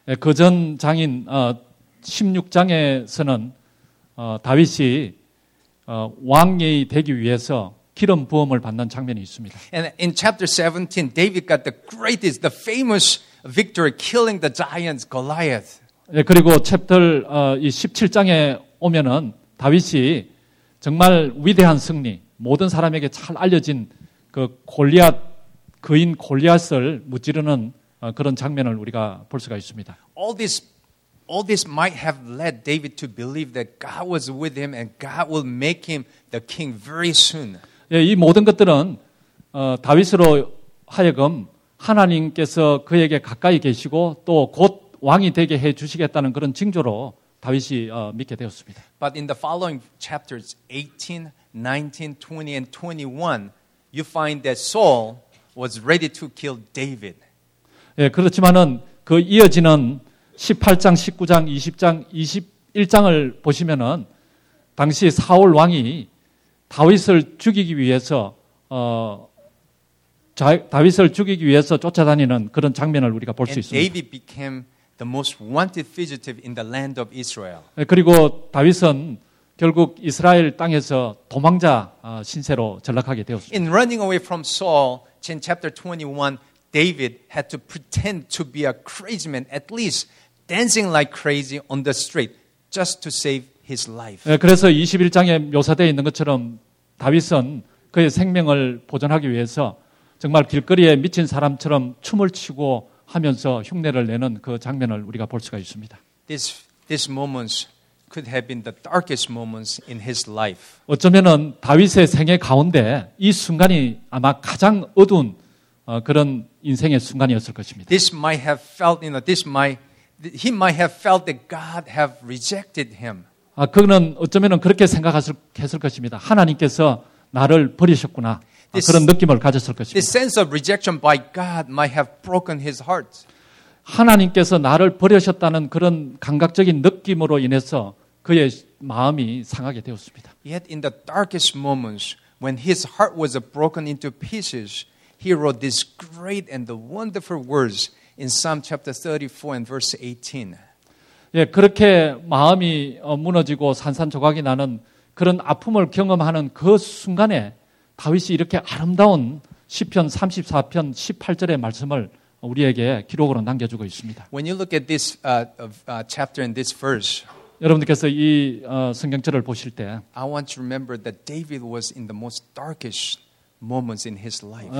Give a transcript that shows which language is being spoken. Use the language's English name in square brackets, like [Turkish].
[Korean] 그 전 장인 16장에서는 다윗이 왕이 되기 위해서 기름 부음을 받는 장면이 있습니다. [English] And in chapter 17, David got the greatest, the famous victory, killing the giant Goliath. [Korean] 예, 그리고 챕터 이 17장에 오면은 다윗이 정말 위대한 승리, 모든 사람에게 잘 알려진 그 골리앗 그인 골리앗을 무찌르는 그런 장면을 우리가 볼 수가 있습니다. [English] All this might have led David to believe that God was with him and God will make him the king very soon. [Korean] 예, 이 모든 것들은 다윗으로 하여금 하나님께서 그에게 가까이 계시고 또 곧 왕이 되게 해 주시겠다는 그런 징조로 다윗이 믿게 되었습니다. [English] But in the following chapters 18, 19, 20 and 21, you find that Saul was ready to kill David. [Korean] 예, 그렇지만은 그 이어지는 18장, 19장, 20장, 21장을 보시면은 당시 사울 왕이 다윗을 죽이기 위해서 다윗을 죽이기 위해서 쫓아다니는 그런 장면을 우리가 볼 수 있습니다. [English] David became the most wanted fugitive in the land of Israel. [Korean] 그리고 다윗은 결국 이스라엘 땅에서 도망자 신세로 전락하게 되었습니다. [English] In running away from Saul, in chapter 21, David had to pretend to be a crazy man, at least dancing like crazy on the street, just to save his life. [Korean] 그래서 21장에 묘사되어 있는 것처럼 다윗은 그의 생명을 보존하기 위해서 정말 길거리에 미친 사람처럼 춤을 추고 하면서 흉내를 내는 그 장면을 우리가 볼 수가 있습니다. [English] These moments could have been the darkest moments in his life. [Korean] 어쩌면은 다윗의 생애 가운데 이 순간이 아마 가장 어두운 그런 인생의 순간이었을 것입니다. [English] This might have felt, you know, this might he might have felt that God have rejected him. [Korean] 그는 어쩌면은 그렇게 생각했을 것입니다. 하나님께서 나를 버리셨구나. 그런 느낌을 가졌을 것입니다. [English] The sense of rejection by God might have broken his heart. [Korean] 하나님께서 나를 버리셨다는 그런 감각적인 느낌으로 인해서 그의 마음이 상하게 되었습니다. [English] Yet in the darkest moments when his heart was broken into pieces, he wrote these great and wonderful words in Psalm chapter 34 and verse 18. [Korean] 예, 그렇게 마음이 무너지고 산산조각이 나는 그런 아픔을 경험하는 그 순간에 다윗이 이렇게 아름다운 시편 34편 18절의 말씀을 우리에게 기록으로 남겨주고 있습니다. [English] When you look at this chapter and this verse, [Korean] 여러분들께서 이 성경절을 보실 때, [English] I want to remember that David was in the most darkest moments in his life.